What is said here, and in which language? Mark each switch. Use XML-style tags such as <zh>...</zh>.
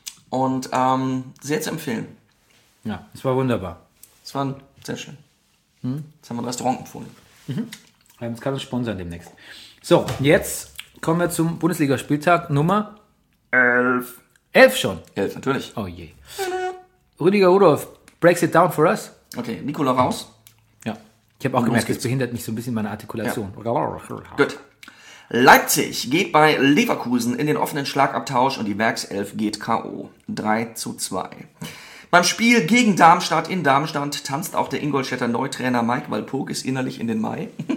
<de>Und sehr zu empfehlen. Ja, es war wunderbar. Es war sehr schön. Jetzt haben wir ein Restaurant empfohlen. Wir haben es gerade sponsern demnächst. So, jetzt kommen wir zum Bundesligaspieltag Nummer 11. 11 schon? 11, natürlich. Oh je.</de> <en>Rüdiger Rudolf breaks it down for us.</en> <de>Okay, Nicola raus. Ja, ich habe auch gemerkt, es behindert mich so ein bisschen meine Artikulation. Ja. Gut. Leipzig geht bei Leverkusen in den offenen Schlagabtausch und die Werkself geht K.O. 3:2. Beim Spiel gegen Darmstadt in Darmstadt tanzt auch der Ingolstädter Neutrainer Mike Walpurgis innerlich in den Mai.</de>